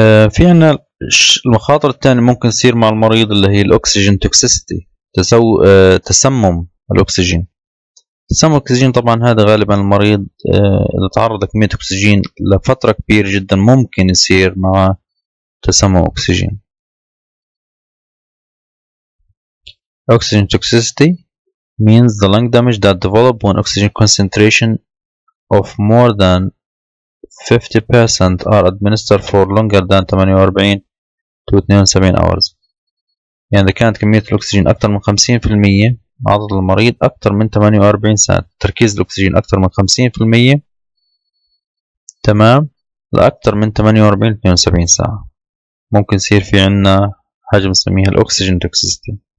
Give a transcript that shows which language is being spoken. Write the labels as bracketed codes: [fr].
[ar] في عنا المخاطر الثانيه ممكن تصير مع المريض اللي هي الاكسجين توكسيسيتي، تسمم الاكسجين. تسمم الاكسجين طبعا هذا غالبا المريض اذا تعرض لكمية اكسجين لفترة كبيرة جدا ممكن يصير مع تسمم اكسجين. [en] Oxygen toxicity means the lung damage that develops when oxygen concentration of more than 50% are administered for longer than 48 to 72 hours. [ar] يعني إذا كانت كمية الأكسجين أكثر من 50% عدد المريض أكثر من 48 ساعة، تركيز الأكسجين أكثر من 50% تمام لأكثر من 48 72 ساعة ممكن يصير في عنا حاجة بنسميها الأكسجين توكسيستي.